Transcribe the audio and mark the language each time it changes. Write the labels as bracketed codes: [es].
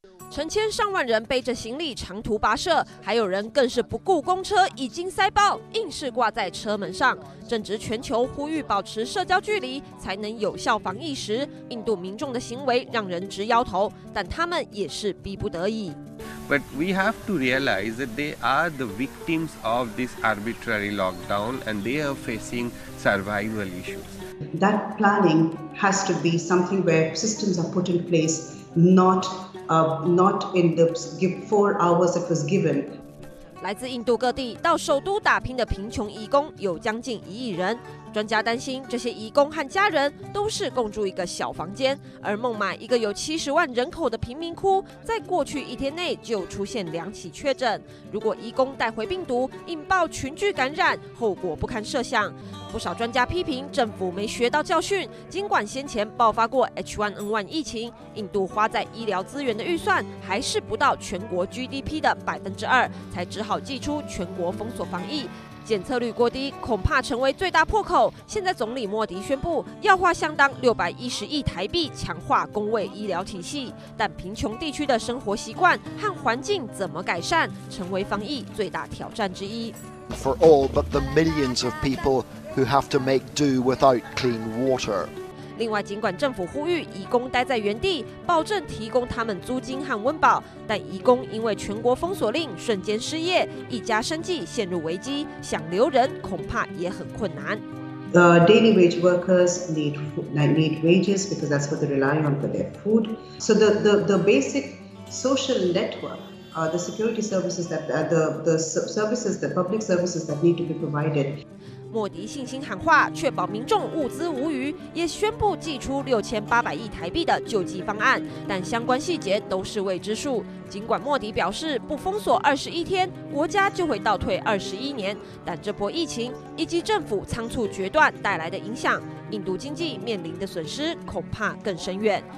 [zh] 成千上万人背着行李长途跋涉，还有人更是不顾公车已经塞爆，硬是挂在车门上。正值全球呼吁保持社交距离才能有效防疫时，印度民众的行为让人直摇头，但他们也是逼不得已。 [en] But we have to realize that they are the victims of this arbitrary lockdown, and they are facing survival issues. That planning has to be something where systems are put in place, not in the four hours it was given. [zh] 来自印度各地到首都打拼的贫穷移工有将近1亿人，专家担心这些移工和家人都是共住一个小房间，而孟买一个有70万人口的贫民窟，在过去一天内就出现2起确诊，如果移工带回病毒引爆群聚感染，后果不堪设想。不少专家批评政府没学到教训，尽管先前爆发过 H1N1 疫情，印度花在医疗资源的预算还是不到全国 GDP 的2%，才只好祭出全国封锁防疫，检测率过低恐怕成为最大破口。现在总理莫迪宣布要花相当610亿台币强化公卫医疗体系，但贫穷地区的生活习惯和环境怎么改善，成为防疫最大挑战之一。 [en] For all but the millions of people who have to make do without clean water. [zh] 另外，尽管政府呼吁移工待在原地，保证提供他们租金和温饱，但移工因为全国封锁令瞬间失业，一家生计陷入危机，想留人恐怕也很困难。 [en] The daily wage workers need wages because that's what they rely on for their food. So the basic social network, the security services that the services, the public services that need to be provided. [zh] 莫迪信心喊话，确保民众物资无余，也宣布祭出6800亿台币的救济方案，但相关细节都是未知数。尽管莫迪表示不封锁21天，国家就会倒退21年，但这波疫情以及政府仓促决断带来的影响，印度经济面临的损失恐怕更深远。